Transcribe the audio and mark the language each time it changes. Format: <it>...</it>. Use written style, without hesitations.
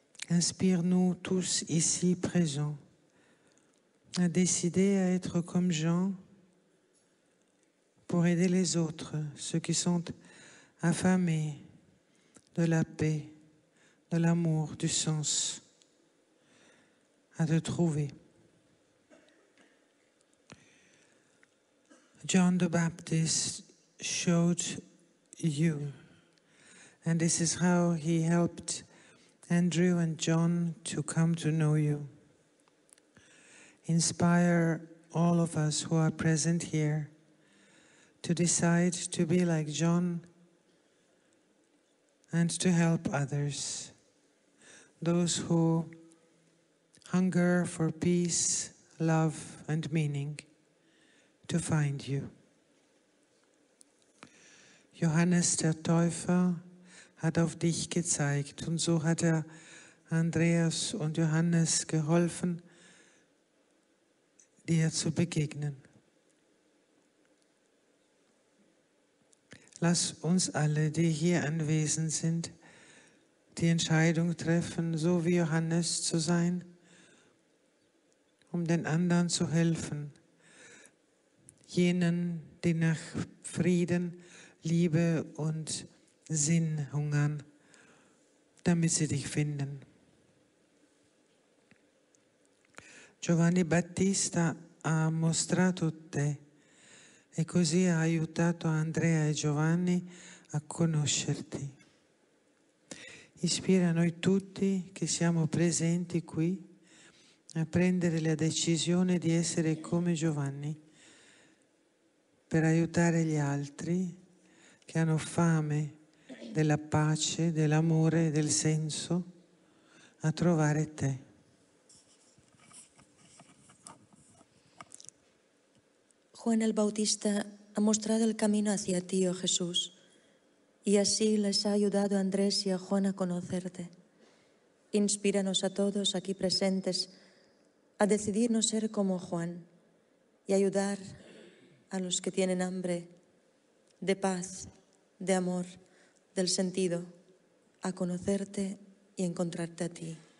<fr>Inspire-nous tous ici présents à décider à être comme Jean pour aider les autres, ceux qui sont affamés de la paix, de l'amour, du sens, à te trouver.</fr> <en>John the Baptist showed you, and this is how he helped Andrew and John to come to know you. Inspire all of us who are present here to decide to be like John and to help others, those who hunger for peace, love, and meaning, to find you.</en> <de>Johannes der Täufer hat auf dich gezeigt, und so hat Andreas und Johannes geholfen, dir zu begegnen. Lass uns alle, die hier anwesend sind, die Entscheidung treffen, so wie Johannes zu sein, um den anderen zu helfen, jenen, die nach Frieden, Liebe und Sinn hungern, damit sie dich finden.</de> <it>Giovanni Battista ha mostrato te e così ha aiutato Andrea e Giovanni a conoscerti. Ispira noi tutti che siamo presenti qui a prendere la decisione di essere come Giovanni per aiutare gli altri che hanno fame della pace, dell'amore, del senso, a trovare te.</it> <es>Juan el Bautista ha mostrado el camino hacia ti, oh Jesús, y así les ha ayudado a Andrés y a Juan a conocerte. Inspíranos a todos aquí presentes a decidirnos ser como Juan y ayudar a los que tienen hambre de paz, de amor, del sentido, a conocerte y encontrarte a ti.</es>